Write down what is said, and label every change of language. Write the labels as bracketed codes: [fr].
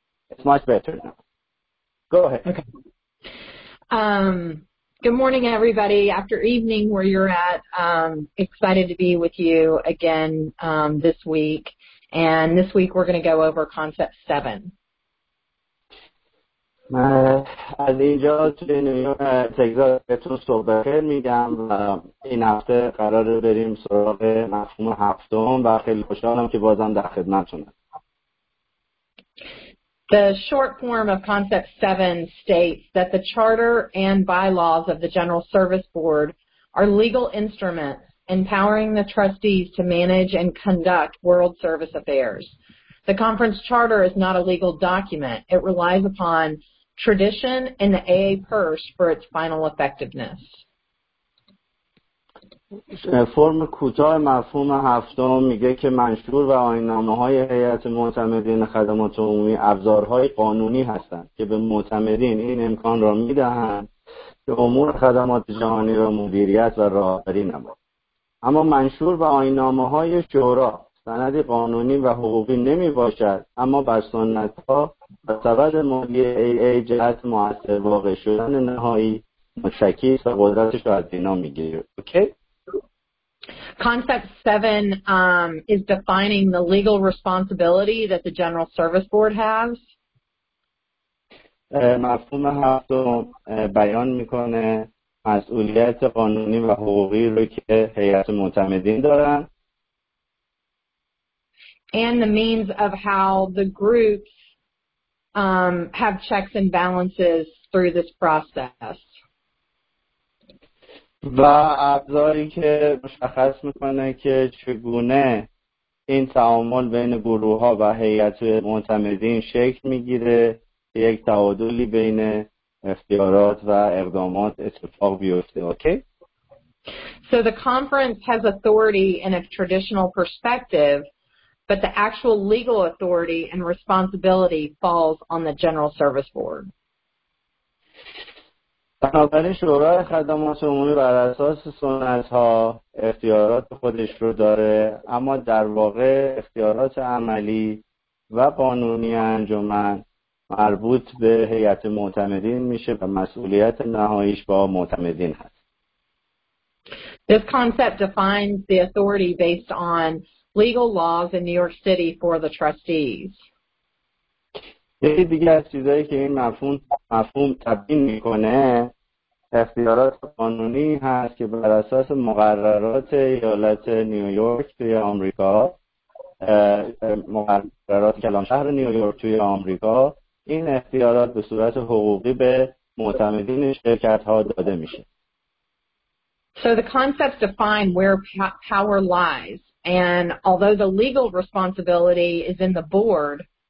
[en] It's much better now. Go ahead. Okay. Good morning, everybody. After evening, where you're at, excited to be with you again this week. And this week, we're going to go over concept 7. [fa] از اینجا توی نیویورک تگزاس بهتون صحبت میگم و این هفته قراره بریم سراغ مفهوم هفتم و خیلی خوشحالم که بازم در خدمتتونم. [en] The short form of Concept 7 states that the charter and bylaws of the General Service Board are legal instruments empowering the trustees to manage and conduct World Service affairs. The conference charter is not a legal document. It relies upon tradition and the AA purse for its final effectiveness. [fa] فرم کوتاه مفهوم هفتم میگه که منشور و آیین‌نامه‌های هیئت معتمدین خدمات عمومی ابزارهای قانونی هستند که به معتمدین این امکان را میدهند که امور خدمات جهانی را مدیریت و راهبری نمایند. اما منشور و آیین‌نامه‌های شورا سندی قانونی و حقوقی نمیباشد، اما بر سنت‌ها و سبد مالی AA جهت مؤثر واقع شدن نهایی متکی است و قدرتش را از اینا میگیرد. اوکی؟ [en] Concept 7 is defining the legal responsibility that the General Service Board has. [fa] مفهوم هفتم بیان میکنه مسئولیت قانونی و حقوقی رو که هیئت معتمدین دارن. [en] And the means of how the groups have checks and balances through this process. [fa] و ابزاری که مشخص میکنه که چگونه این تعامل بین گروه ها و هیئت معتمدین شکل میگیره، یک تعادلی بین اختیارات و اقدامات اتفاق بیفته. اوکی؟ [en] So the conference has authority in a traditional perspective, but the actual legal authority and responsibility falls on the General Service Board. [fa] بنابراین شورای خدمات عمومی بر اساس سنت ها اختیارات خودش رو داره، اما در واقع اختیارات عملی و قانونی انجمن مربوط به هیئت معتمدین میشه و مسئولیت نهاییش با معتمدین هست. [en] This concept defines the authority based on legal laws in New York City for the trustees. [fa] یکی دیگه از چیزایی که این مفهوم تبیین میکنه اختیارات قانونی هست که بر اساس مقررات ایالت نیویورک توی آمریکا، مقررات کلان شهر نیویورک توی آمریکا، این اختیارات به صورت حقوقی به معتمدین شرکت ها داده میشه. [en] So the concepts define where power lies, and although the legal responsibility is in the board,